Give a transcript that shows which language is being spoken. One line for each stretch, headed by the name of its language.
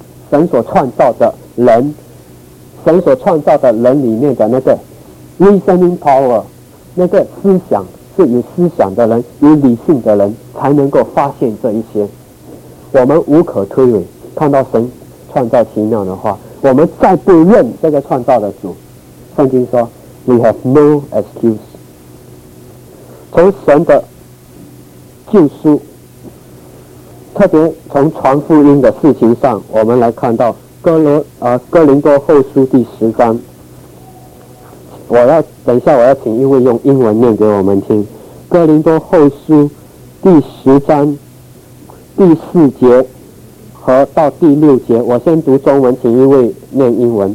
Chinese: 神所创造的人，神所创造的人里面的那个 reasoning power， 那个思想，是有思想的人，有理性的人才能够发现这一些。我们无可推诿，看到神创造奇妙的话，我们再不认这个创造的主。圣经说
English: we have no excuse。
Chinese: 从神的救赎，特别从传福音的事情上，我们来看到哥林多后书第十章。我要等一下，我要请一位用英文念给我们听。哥林多后书第十章第四节和到第六节，我先读中文，请一位念英文。